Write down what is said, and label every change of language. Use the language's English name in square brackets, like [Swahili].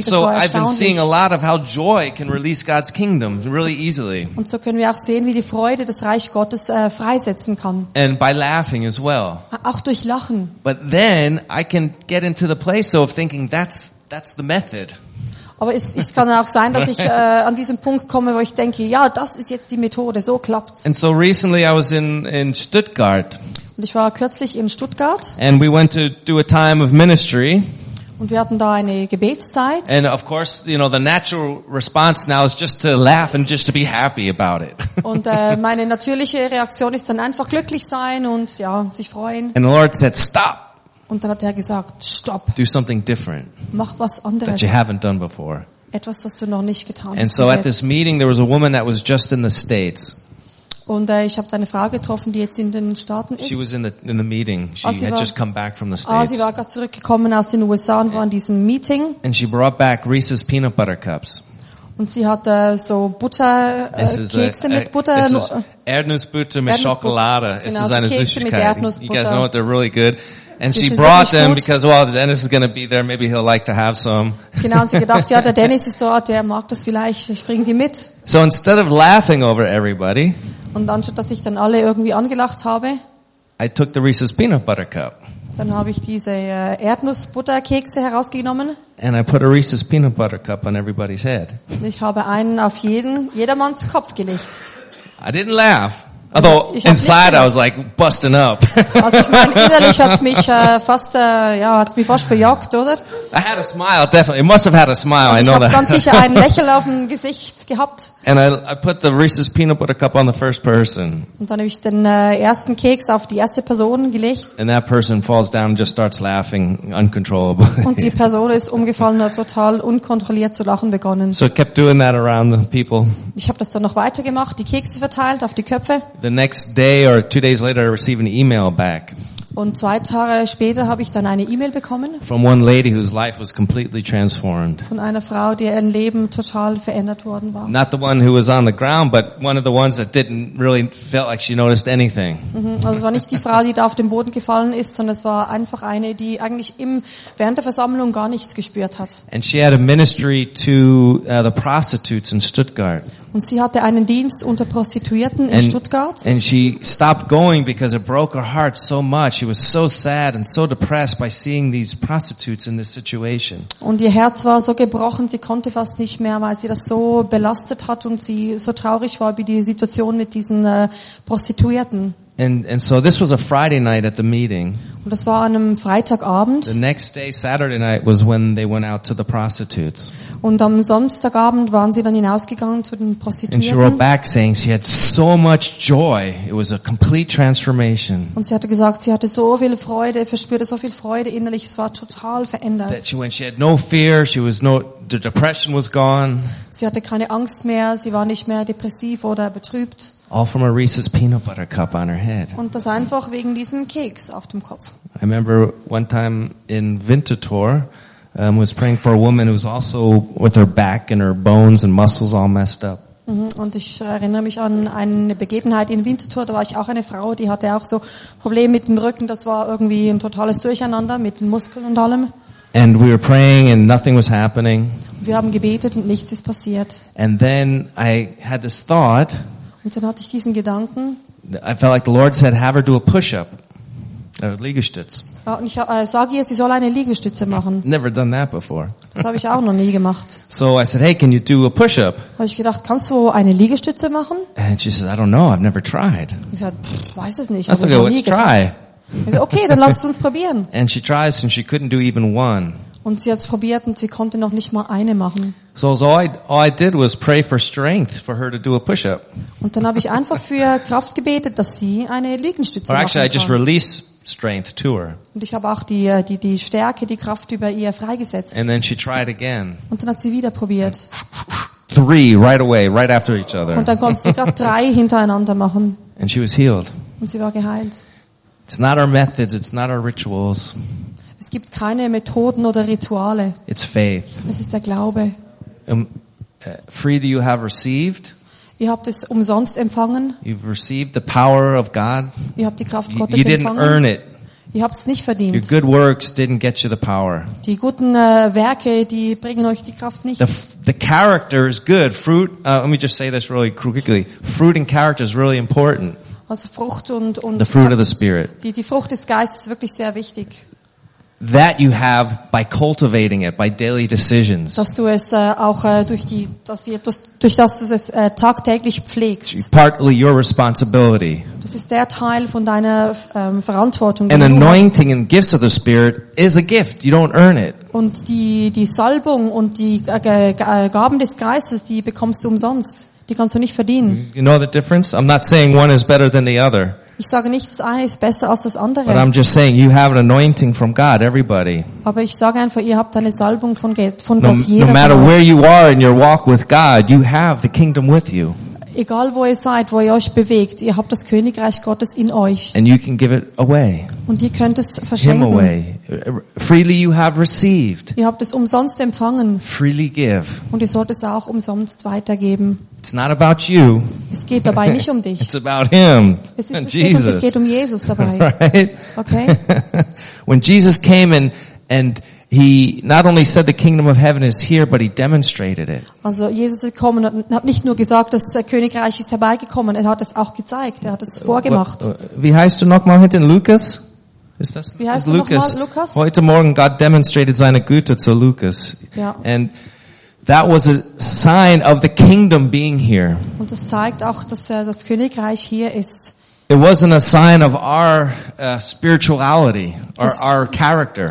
[English] and so I've been seeing a lot of how joy can release God's kingdom really easily. [German] Und so können wir auch sehen, wie die Freude das Reich Gottes freisetzen kann. [English] And by laughing as well. [German] Auch durch Lachen. [English] But then I can get into the place of thinking that's the method. [German] Aber es kann auch sein, dass ich an diesem Punkt komme, wo ich denke, ja, das ist jetzt die Methode, so klappt's. [English] And so recently I was in Stuttgart. [German] Und ich war kürzlich in Stuttgart. [English] And we went to do a time of ministry. [German] Und wir hatten da eine Gebetszeit. [English] And of course, you know, the natural response now is just to laugh and just to be happy about it. [German] Und meine natürliche Reaktion ist dann einfach glücklich sein und ja, sich freuen. [English] And the Lord said, stop. [German] Und dann hat er gesagt, stopp. [English] Do something different. [German] Mach was anderes. [English] That you haven't done before. [German] Etwas, das du noch nicht getan hast. [English] And so at this meeting there was a woman that was just in the States. [German] Und ich habe eine Frau getroffen, die jetzt in den Staaten ist. [English] She was in the meeting. She had just come back from the States. [German] Sie war gerade zurückgekommen aus den USA und war in diesem Meeting. [English] And she brought back Reese's peanut butter cups. [German] Und sie hat so Butterkekse mit Butter. Erdnussbutter mit Schokolade. Es ist eine Süßigkeit. [English] You guys know what, they're really good. And she brought them because, well, Dennis is going to be there. Maybe he'll like to have some. [German] Genau, sie gedacht, ja, der Dennis ist dort, der mag das vielleicht. Ich bring die mit. [English] So instead of laughing over everybody. [German] Und anstatt dass ich dann alle irgendwie angelacht habe. [English] I took the Reese's peanut butter cup. [German] Dann habe ich diese Erdnussbutterkekse herausgenommen. [English] And I put a Reese's peanut butter cup on everybody's head. [German] Ich habe einen auf jedermanns Kopf gelegt. [English] I didn't laugh. Although inside I was like busting up. [German] Also ich meine, innerlich hat's mich fast verjagt, oder? [English] I had a smile, definitely. It must have had a smile. Also I know that. [German] Ich habe ganz sicher ein Lächeln auf dem Gesicht gehabt. [English] And I put the Reese's peanut butter cup on the first person. [German] Und dann habe ich den ersten Keks auf die erste Person gelegt. [English] And that person falls down and just starts laughing uncontrollably. [German] Und die Person ist umgefallen und hat total unkontrolliert zu lachen begonnen. [English] So I kept doing that around the people. [German] Ich habe das dann noch weiter gemacht, die Kekse verteilt auf die Köpfe. [English] The next day or 2 days later, I receive an email back. [German] Und 2 Tage später habe ich dann eine E-Mail bekommen. [English] From one lady whose life was completely transformed. [German] Von einer Frau, die ihr Leben total verändert worden war. [English] Not the one who was on the ground, but one of the ones that didn't really felt like she noticed anything. [German] Also es war nicht die Frau, die da auf den Boden gefallen ist, sondern es war einfach eine, die eigentlich während der Versammlung gar nichts gespürt hat. [English] And she had a ministry to the prostitutes in Stuttgart. [German] Und sie hatte einen Dienst unter Prostituierten in Stuttgart. [English] And she stopped going because it broke her heart so much. She was so sad and so depressed by seeing these prostitutes in this situation. [German] Und ihr Herz war so gebrochen, sie konnte fast nicht mehr, weil sie das so belastet hat und sie so traurig war über die Situation mit diesen Prostituierten. [English] And so this was a Friday night at the meeting. [German] Und das war an einem Freitagabend. [English] The next day, Saturday night, was when they went out to the prostitutes. [German] Und am Samstagabend waren sie dann hinausgegangen zu den Prostituierten. [English] And she wrote back saying she had so much joy. It was a complete transformation. [German] Und sie hatte gesagt, sie hatte so viel Freude, verspürte so viel Freude innerlich. Es war total verändert. [English] That she, when she had no fear, she was no. The depression was gone. [German] Sie hatte keine Angst mehr. Sie war nicht mehr depressiv oder betrübt. [English] All from a Reese's peanut butter cup on her head. [German] Und das einfach wegen diesem Keks auf dem Kopf. [English] I remember one time in Winterthur, was praying for a woman who was also with her back and her bones and muscles all messed up. [German] Und ich erinnere mich an eine Begebenheit in Winterthur, da war ich auch eine Frau, die hatte auch so Probleme mit dem Rücken, das war irgendwie ein totales Durcheinander mit den Muskeln und allem. [English] And we were praying and nothing was happening. [German] Wir haben gebetet und nichts ist passiert. [English] And then I had this thought. [German] Und dann hatte ich diesen Gedanken. [English] I felt like the Lord said, have her do a push-up. A Liegestütz. [German] Ja, und ich sage ihr, sie soll eine Liegestütze machen. [English] Never done that before. [German] Das habe ich auch noch nie gemacht. [English] So I said, hey, can you do a push-up? [German] Habe ich gedacht, kannst du eine Liegestütze machen? [English] And she says, I don't know, I've never tried. [German] Und sie hat, weiß es nicht. [English] That's okay, let's try. [German] Ich so, okay, dann lass es uns probieren. [English] And she tries and she couldn't do even one. [German] Und sie hat es probiert und sie konnte noch nicht mal eine machen. [English] So all I did was pray for strength for her to do a push-up. [German] Und dann habe ich einfach für Kraft gebetet, dass sie eine Liegestütze machen kann. [English] Actually, I just released strength to her. [German] Und ich habe auch die Stärke, die Kraft über ihr freigesetzt. [English] And then she tried again. [German] Und dann hat sie wieder probiert. [English] Three right away, right after each other. [German] Und dann konnte sie gerade 3 hintereinander machen. [English] And she was healed. [German] Und sie war geheilt. [English] It's not our methods, it's not our rituals. [German] Es gibt keine Methoden oder Rituale. [English] It's faith. [German] Es ist der Glaube. [English] Free that you have received. [German] Ihr habt es umsonst empfangen. [English] You've received the power of God. [German] Ihr habt die Kraft Gottes empfangen. [English] You didn't earn it. [German] Ihr habt es nicht verdient. [English] Your good works didn't get you the power. [German] Die guten Werke, die bringen euch die Kraft nicht. [English] The character is good. Fruit, let me just say this really quickly. Fruit and character is really important. [German] Also Frucht und [English] the fruit of the Spirit. [German] Die Frucht des Geistes ist wirklich sehr wichtig. [English] That you have by cultivating it, by daily decisions. [German] Dass du es auch durch das du es tagtäglich pflegst. [English] Partly your responsibility. [German] Das ist der Teil von deiner Verantwortung. [English] An anointing and gifts of the Spirit is a gift. You don't earn it. [German] Und die Salbung und die Gaben des Geistes, die bekommst du umsonst. Die kannst du nicht verdienen. [English] You know the difference? I'm not saying one is better than the other. [German] Ich sage nicht, das eine ist besser als das andere. [English] But I'm just saying you have an anointing from God, everybody. [German] Aber ich sage einfach, ihr habt eine Salbung von Gott, [English] No matter where you are in your walk with God, you have the kingdom with you. [German] Egal wo ihr seid, wo ihr euch bewegt, ihr habt das Königreich Gottes in euch. [English] And you can give it away. [German] Und ihr könnt es verschenken. [English] Him away. Freely you have received. [German] Ihr habt es umsonst empfangen. [English] Freely give. [German] Und ihr sollt es auch umsonst weitergeben. [English] It's not about you. [German] Es geht dabei nicht um dich. [English] It's about him. [German] Es geht um Jesus dabei. [English] Right? Okay. When Jesus came and He not only said the kingdom of heaven is here, but he demonstrated it. [German] Also Jesus ist gekommen und hat nicht nur gesagt, das Königreich ist herbeigekommen, er hat es auch gezeigt, er hat es vorgemacht. Wie heißt du nochmal hinten, Lukas? Ist das? Wie heißt du Lukas? Noch mal, Lukas? Heute Morgen [English] God demonstrated [German] seine Güte zu Lukas. Ja. [English] And that was a sign of the kingdom being here. [German] Und das zeigt auch, dass das Königreich hier ist. [English] It wasn't a sign of our spirituality or our character.